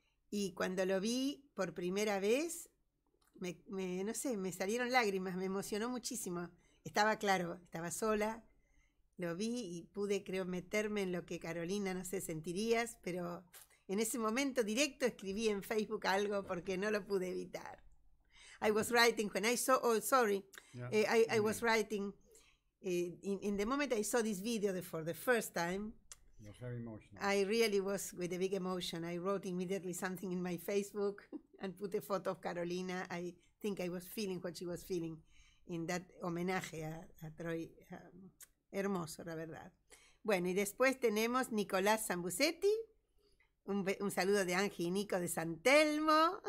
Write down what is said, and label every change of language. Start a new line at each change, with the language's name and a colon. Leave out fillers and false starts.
Spanish: Y cuando lo vi por primera vez, me salieron lágrimas, me emocionó muchísimo. Estaba claro, estaba sola. Lo vi y pude, creo, meterme en lo que Carolina, no sé, sentirías, pero en ese momento directo escribí en Facebook algo porque no lo pude evitar.
English: I was writing when I saw, oh, sorry, yeah. I was writing, in the moment I saw this video for the first time, you're very emotional. I really was with a big emotion. I wrote immediately something in my Facebook and put a photo of Carolina. I think I was feeling what she was feeling in that homenaje a Troy.
Spanish: Hermoso, la verdad. Bueno, y después tenemos Nicolás Zambusetti, Un saludo de Ángel y Nico de San Telmo.